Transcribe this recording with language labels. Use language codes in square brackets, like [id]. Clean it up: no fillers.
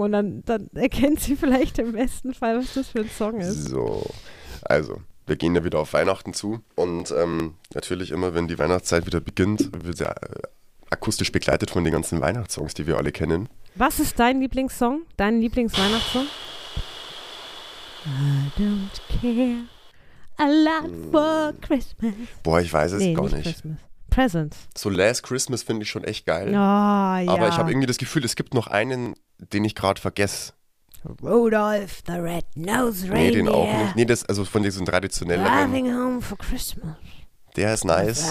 [de] Und dann erkennt sie vielleicht im besten Fall, was das für ein Song ist. So, also. Wir gehen ja wieder auf Weihnachten zu und natürlich immer, wenn die Weihnachtszeit wieder beginnt, wird sie akustisch begleitet von den ganzen Weihnachtssongs, die wir alle kennen. Was ist dein Lieblingssong? Dein Lieblingsweihnachtssong? [en] I don't care a lot for Christmas. [de] Boah, ich weiß es gar nicht. [en] Christmas. Presents. [de] So Last Christmas finde ich schon echt geil. Oh, aber ja. Ich habe irgendwie das Gefühl, es gibt noch einen, den ich gerade vergesse. [en] Rudolph the Red-Nosed Reindeer. [de] Nee, den auch nicht. Nee, das also von diesen traditionellen. [en] Driving home for Christmas. [de] Der ist nice.